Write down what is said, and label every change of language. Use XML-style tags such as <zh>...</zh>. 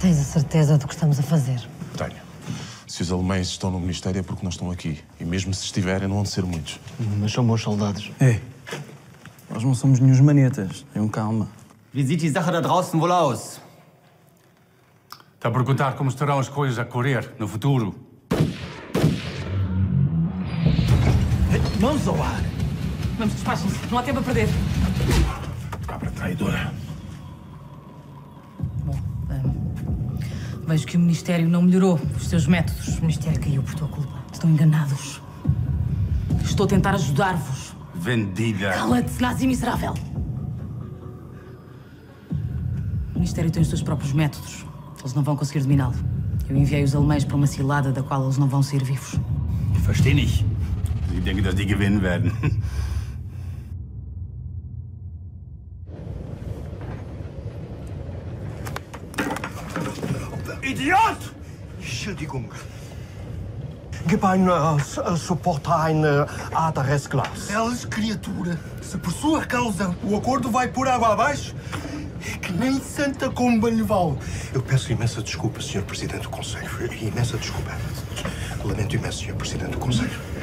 <pt>Certeza do que estamos a fazer. Tenho. Se os alemães estão no ministério é porque não estão aqui. E mesmo se estiverem, não vão ser muitos. Mas são bons soldados. É. Nós não somos nenhums manetas. Tenham calma.</pt> <de>Wie sieht die Sache da draußen wohl aus?</de> <pt>Está a perguntar como estarão as coisas a correr no futuro. Mãos ao ar! Vamos, despachem-se. Não há tempo a perder. Cabra traidora. Vejo que o Ministério não melhorou os seus métodos. O Ministério caiu por tua culpa. Estão enganados. Estou a tentar ajudar-vos. Vendida. Cala-te, nazi miserável. O Ministério tem os seus próprios métodos. Eles não vão conseguir dominá-lo. Eu enviei os alemães para uma cilada da qual eles não vão sair vivos.</pt> <de>Verstehe nicht. Sie denken, dass die gewinnen werden. Idiot! Entschuldigung. Gib ein Support ein anderes Glas.</de> <pt>Elas, criatura, se por sua causa o acordo vai por água abaixo, é que nem santa como banho. Eu peço imensa desculpa, Sr. Presidente do Conselho. Imensa desculpa. Lamento imenso, Sr. Presidente do Conselho.</pt>